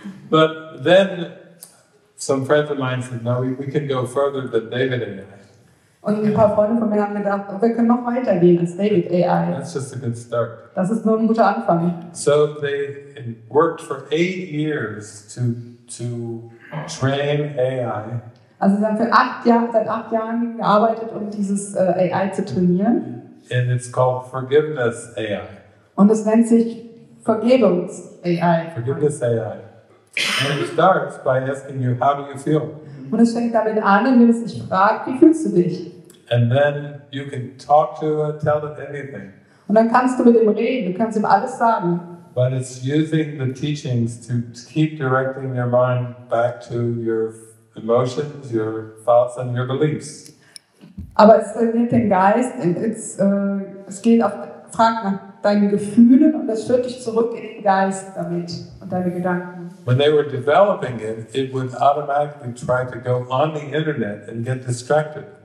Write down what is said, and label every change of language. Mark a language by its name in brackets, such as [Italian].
[English] But then some friends of mine said, no, we can go further than David AI. [German] Und ein paar Freunde von mir haben gedacht, wir können noch weitergehen als David AI. [English] That's just a good start. [German] Das ist nur ein guter Anfang. [English] So they worked for 8 years to train AI. [German] Also sie haben seit acht Jahren gearbeitet, um dieses AI zu trainieren. [English] And it's called Forgiveness AI. [German] Und es nennt sich Vergebungs AI. [English] Forgiveness AI. And it starts by asking you, how do you feel? [German] Und es fängt damit an, indem es dich fragt, wie fühlst du dich? [English] And then you can talk to it, tell it anything. [German] Und dann kannst du mit ihm reden, du kannst ihm alles sagen. [English] But it's using the teachings to keep directing your mind back to your emotions, your thoughts and your beliefs. [German] Aber es trainiert den Geist, und es geht auf Fragen nach deinen Gefühlen und es führt dich zurück in den Geist damit und deine Gedanken. [English] When they were developing it, it would automatically try to go on the internet and get distracted.